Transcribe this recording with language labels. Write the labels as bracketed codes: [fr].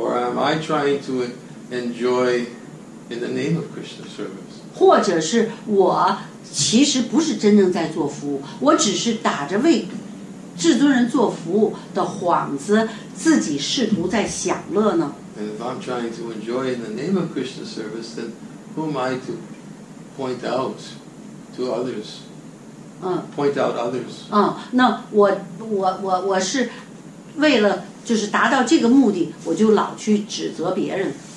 [en] Or am I trying to enjoy in the name of Krishna service? [zh] 或者是我其实不是真正在做服务，我只是打着为至尊人做服务的幌子，自己试图在享乐呢？ [en] And if I'm trying to enjoy in the name of Krishna service, then who am I to point out to others? Point out others. [zh] 那我是为了就是达到这个目的，我就老去指责别人。